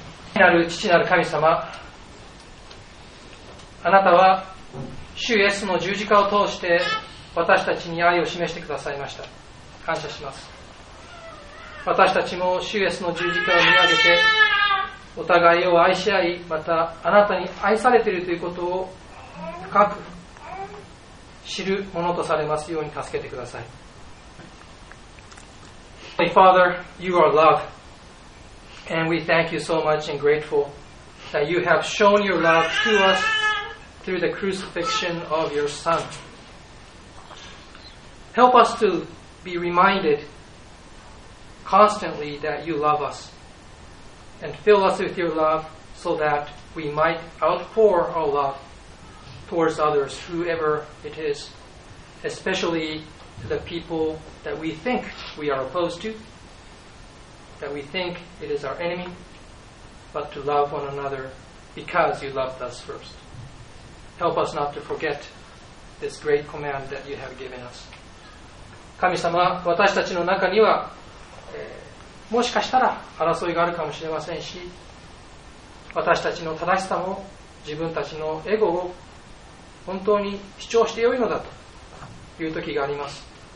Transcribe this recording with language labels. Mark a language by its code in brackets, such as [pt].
[ja] 父なる父なる神様、あなたは主イエスの十字架を通して私たちに愛を示してくださいました。感謝します。私たちも主イエスの十字架を見上げて、お互いを愛し合い、またあなたに愛されているということを深く知るものとされますように助けてください。 [en] Hey Father, you are love, and we thank you so much and grateful that you have shown your love to us through the crucifixion of your Son. Help us to be reminded constantly that you love us, and fill us with your love so that we might outpour our love towards others, whoever it is, especially the people that we think we are opposed to, that we think it is our enemy, but to love one another because you loved us first. Help us not to forget this great command that you have given us. [ja] 神様、私たちの中には、もしかしたら争いがあるかもしれませんし、私たちの正しさも自分たちのエゴを本当に主張してよいのだという時があります。